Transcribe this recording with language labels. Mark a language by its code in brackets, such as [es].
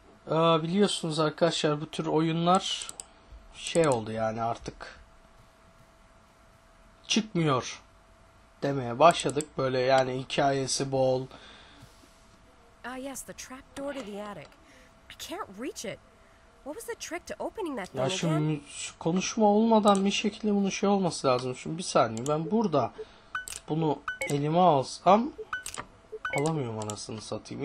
[tr] Biliyorsunuz arkadaşlar bu tür oyunlar şey oldu yani artık çıkmıyor demeye başladık. Böyle yani hikayesi bol. [en] Yes, the trap door to the attic. I can't reach it. What was the trick to opening that [tr] Ya [en] thing again? [tr] şimdi konuşma olmadan bir şekilde bunun şey olması lazım. Şimdi bir saniye, ben burada bunu elime alsam alamıyorum anasını satayım.